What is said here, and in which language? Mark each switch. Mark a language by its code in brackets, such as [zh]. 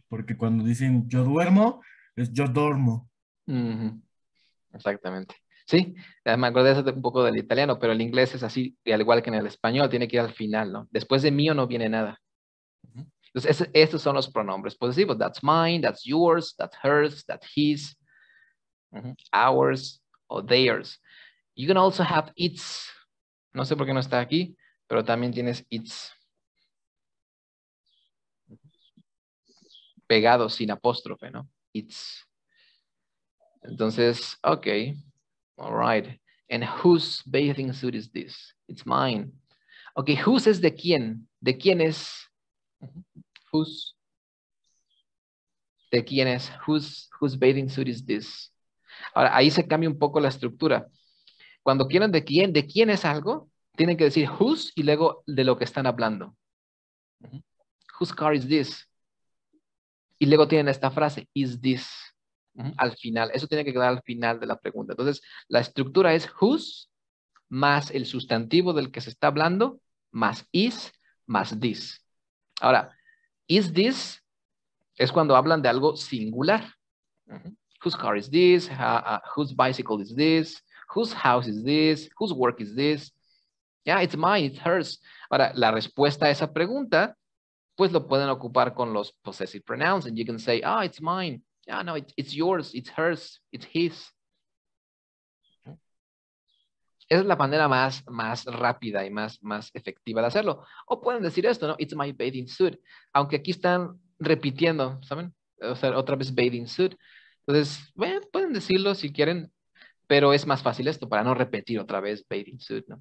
[es] Porque cuando dicen yo duermo, es yo dormo. Uh-huh. Exactamente. Sí, me acordé de un poco del italiano, pero el inglés es así, al igual que en el español, tiene que ir al final, ¿no? Después de mío no viene nada. Entonces, estos son los pronombres posesivos. [en] That's mine, that's yours, that's hers, that's his, ours, or theirs. You can also have its. [es] No sé por qué no está aquí, pero también tienes its. Pegado sin apóstrofe, ¿no? [en] Its. [es] Entonces, [en] ok. All right. And whose bathing suit is this? It's mine. [es] Okay, whose es de quién? ¿De quién es? Whose? ¿De quién es? [en] Whose bathing suit is this? [es] Ahora, ahí se cambia un poco la estructura. Cuando quieran de quién es algo, tienen que decir whose y luego de lo que están hablando. [en] Whose car is this? [es] Y luego tienen esta frase, is this, al final. Eso tiene que quedar al final de la pregunta. Entonces, la estructura es whose más el sustantivo del que se está hablando, más is, más this. Ahora, is this es cuando hablan de algo singular. [en] Whose car is this? Whose bicycle is this? Whose house is this? Whose work is this? Yeah, it's mine, it's hers. [es] Ahora, la respuesta a esa pregunta, pues lo pueden ocupar con los possessive pronouns. [en] And you can say, oh, it's mine. Yeah, no, it's yours, it's hers, it's his. [es] Esa es la manera más rápida y más efectiva de hacerlo. O pueden decir esto, ¿no? [en] It's my bathing suit. [es] Aunque aquí están repitiendo, ¿saben? O sea, otra vez bathing suit. Entonces, bueno, pueden decirlo si quieren, pero es más fácil esto para no repetir otra vez bathing suit, ¿no?